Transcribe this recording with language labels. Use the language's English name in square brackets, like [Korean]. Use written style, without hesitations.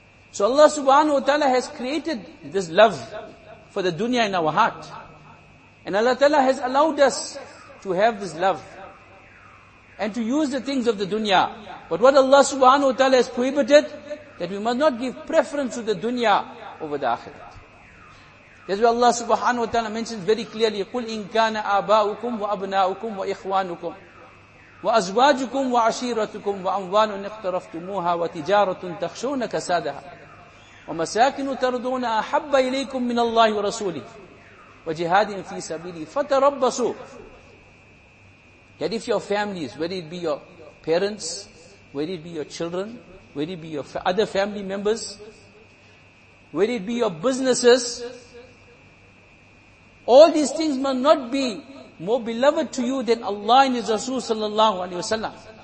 [English] So Allah subhanahu wa ta'ala has created this love for the dunya in our heart. And Allah ta'ala has allowed us to have this love and to use the things of the dunya. But what Allah subhanahu wa ta'ala has prohibited, that we must not give preference to the dunya over the akhirah. That's why Allah subhanahu wa ta'ala mentions very clearly, [Arabic] قُلْ إِن كَانَ آبَاؤُكُمْ وَأَبْنَاؤُكُمْ وَإِخْوَانُكُمْ وَأَزْوَاجُكُمْ وَعَشِيرَتُكُمْ وَأَمْوَالٌ اقْتَرَفْتُمُوهَا وَتِجَارَةٌ تَخْشَوْنَ كَسَادَهَا وَمَسَاكِنُ تَرْضُونَ أَحَبَّ إِلَيْكُمْ مِنَ اللَّهِ وَرَسُولِهِ وَجِهَادٍ فِي سَبِيلِهِ فَتَرَبَّصُوا. [English] That if your families, whether it be your parents, whether it be your children, whether it be your other family members, whether it be your businesses, all these things must not be more beloved to you than Allah and His Rasul sallallahu alayhi wa sallam.